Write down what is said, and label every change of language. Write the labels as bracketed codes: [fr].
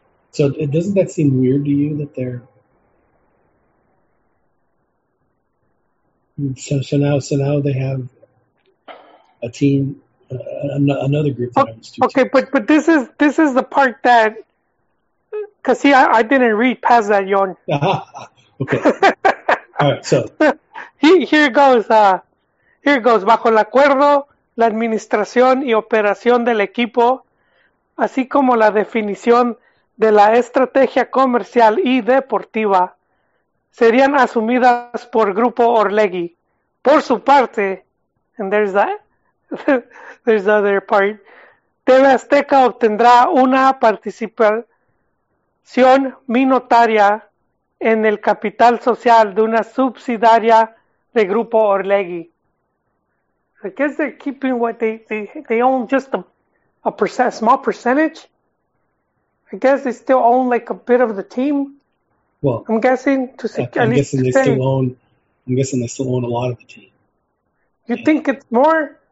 [en] So doesn't that seem weird to you that they're so now they have a team, another group that owns two teams. Okay, but this is the part that, because see, I didn't read past that, Yon. Okay. All right, so. Here it goes, [es] bajo el acuerdo, la administración y operación del equipo, así como la definición de la estrategia comercial y deportiva, serían asumidas por Grupo Orlegi. Por su parte, [en] and there's the other part, [es] TV Azteca obtendrá una participación minoritaria en el capital social de una subsidiaria de Grupo Orlegi. [en] I guess they're keeping what they own, just a small percentage. I guess they still own like a bit of the team. Well, I'm guessing to secure. I'm guessing they still own a lot of the team. You think it's more?